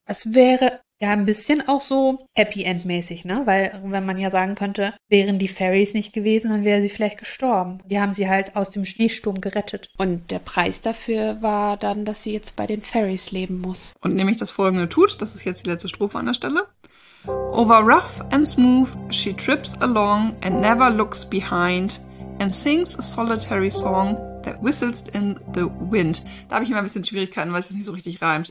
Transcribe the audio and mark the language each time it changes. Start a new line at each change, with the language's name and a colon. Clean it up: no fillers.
German: Es wäre ja ein bisschen auch so Happy End-mäßig, ne? Weil wenn man ja sagen könnte, wären die Fairies nicht gewesen, dann wäre sie vielleicht gestorben. Die haben sie halt aus dem Schneesturm gerettet. Und der Preis dafür war dann, dass sie jetzt bei den Fairies leben muss. Und nämlich das folgende tut, das ist jetzt die letzte Strophe an der Stelle.
English: Over rough and smooth, she trips along and never looks behind and sings a solitary song that whistles in the wind.
German: Da habe ich immer ein bisschen Schwierigkeiten, weil es nicht so richtig reimt.